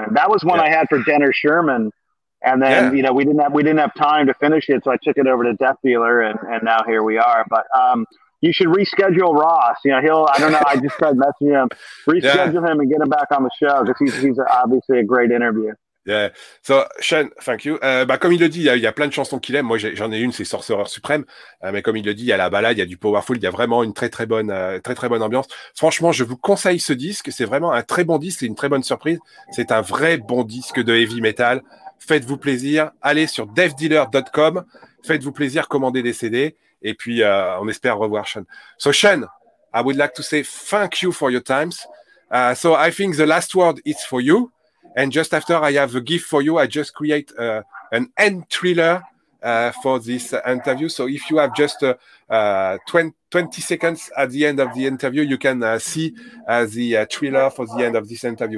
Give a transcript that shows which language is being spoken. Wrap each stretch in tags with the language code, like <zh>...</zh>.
<en>And that was one I had for Denner Sherman. And then, you know, we didn't have time to finish it, so I took it over to Death Dealer, and now here we are. But you should reschedule Ross. You know, I just tried messaging him. Reschedule him and get him back on the show, because he's obviously a great interview. Yeah. So, Sean, thank you.</en> <fr>Comme il le dit, il y a plein de chansons qu'il aime. Moi, j'en ai une, c'est Sorcerer Suprême. Mais comme il le dit, il y a la balade, il y a du powerful, il y a vraiment une très, très bonne ambiance. Franchement, je vous conseille ce disque. C'est vraiment un très bon disque, c'est une très bonne surprise. C'est un vrai bon disque de heavy metal. Faites-vous plaisir, allez sur devdealer.com, faites-vous plaisir, commandez des CD, et puis on espère revoir Sean.</fr> <en>So Sean, I would like to say thank you for your times. So I think the last word is for you, and just after I have a gift for you, I just create an end thriller for this interview. So if you have just 20 seconds at the end of the interview, you can see the thriller for the end of this interview.</en>